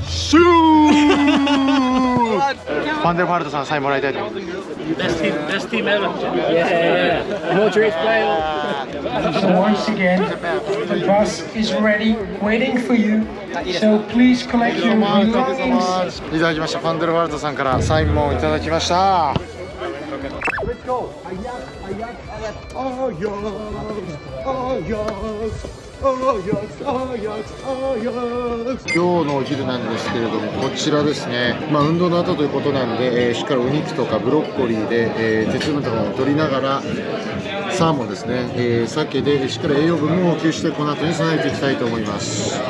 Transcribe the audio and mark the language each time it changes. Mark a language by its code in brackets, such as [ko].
[ja] シューファンデルファルトさんサインもらいたいと思います [en] 。 Best team ever. Yeah. More drinks play on. Once again, the bus is ready, waiting for you. [ja] いただきました。ファンデルファルトさんからサインもいただきました。今日のお昼なんですけれども、こちらですね、まあ、運動の後ということなんで、しっかりお肉とかブロッコリーで、鉄分とかを取りながら、サーモンですね、鮭でしっかり栄養分も補給してこの後に備えていきたいと思います。